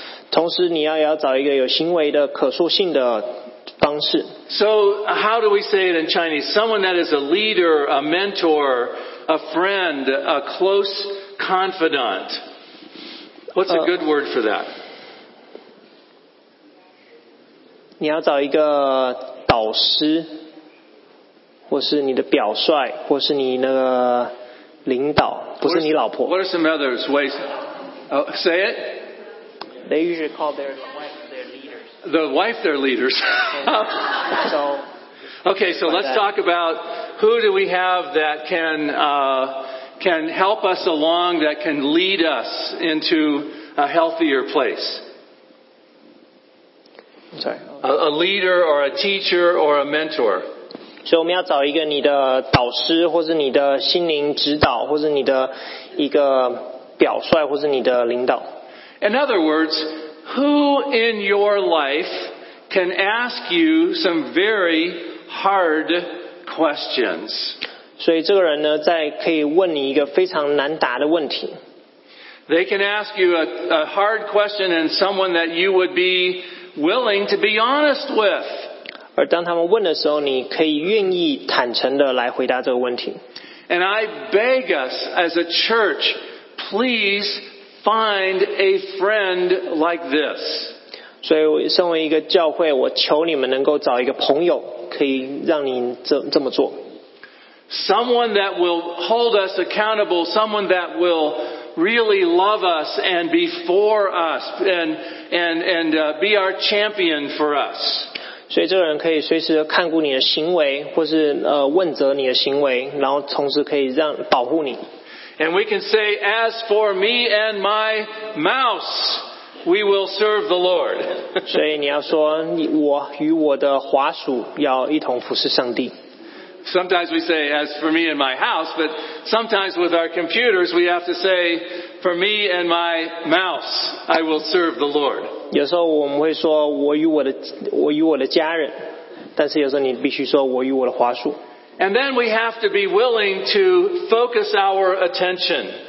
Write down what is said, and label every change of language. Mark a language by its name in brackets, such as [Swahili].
[Chinese] 同时，你要找一个有行为的可塑性的方式。 [English] So how do we say it in Chinese? Someone that is a leader, a mentor, a friend, a close confidant. What's a good word for that? [Chinese] 你要找一个导师。或是你的表率，或是你那个领导，不是你老婆。 [English] What are some other ways? Say it. They usually call their wife their leaders. The wife their leaders. So, okay, so let's talk about who do we have that can help us along, that can lead us into a healthier place. Sorry. A leader or a teacher or a mentor. [Chinese] 所以我们要找一个你的导师，或是你的心灵指导，或是你的一个表率，或是你的领导。 [English] In other words, who in your life can ask you some very hard questions? [Chinese] 所以这个人呢，在可以问你一个非常难答的问题。 [English] They can ask you a hard question and someone that you would be willing to be honest with. [Chinese] 而当他们问的时候，你可以愿意坦诚地来回答这个问题。 [English] And I beg us as a church, please find a friend like this. [Chinese] 所以身为一个教会，我求你们能够找一个朋友，可以让你这么做。 [English] Someone that will hold us accountable, someone that will really love us and be for us and be our champion for us. [Chinese] 所以这个人可以随时看顾你的行为，或是问责你的行为，然后同时可以让保护你。 [English] And we can say, as for me and my mouse, we will serve the Lord. [Chinese] 所以你要说，我与我的滑鼠要一同服侍上帝。 [English] Sometimes we say, as for me and my house, but sometimes with our computers, we have to say, for me and my mouse, I will serve the Lord. [Chinese] 有时候我们会说我与我的家人，但是有时候你必须说我与我的华树。 [English] And then we have to be willing to focus our attention.